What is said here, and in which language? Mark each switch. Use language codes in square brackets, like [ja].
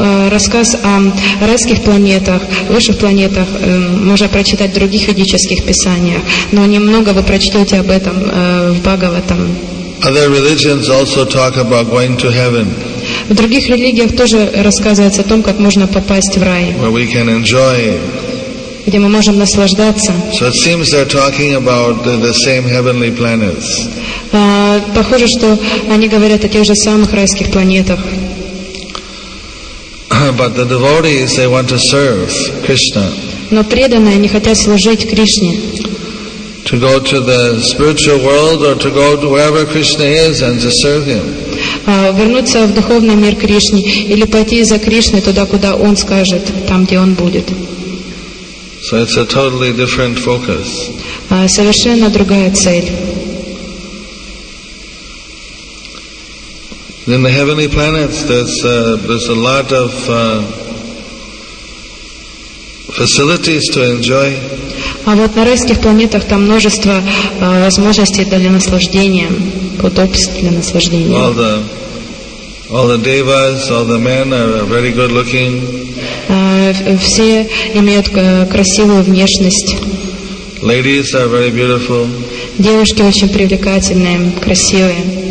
[ru] Рассказ о райских планетах, высших планетах можно прочитать в других ведических писаниях, но немного вы прочтете об этом в Бхагаватам. [en] Other religions also talk about going to heaven. [ru] В других религиях тоже рассказывается о том, как можно попасть в рай. [en] Where we can enjoy. [ru] Где мы можем наслаждаться. [en] So it seems they're talking about the same heavenly planets. [ru] Похоже, что они говорят о тех же самых райских планетах. [en] But the devotees, they want to serve Krishna. [ru] Но преданные, они хотят служить Кришне. [en] To go to the spiritual world or to go to wherever Krishna is and to serve Him. [ru] Вернуться в духовный мир Кришне или пойти за Кришной туда, куда Он скажет, там, где Он будет. [en] So it's a totally different focus. [ru] Совершенно другая цель. [en] In the heavenly planets, there's a lot of facilities to enjoy. [ru] А вот на райских планетах там множество возможностей для наслаждения, удобств для наслаждения. [en] All the devas, all the men are very good looking. [ru] Все имеют красивую внешность. [en] Ladies are very beautiful. [ru] Девушки очень привлекательные, красивые.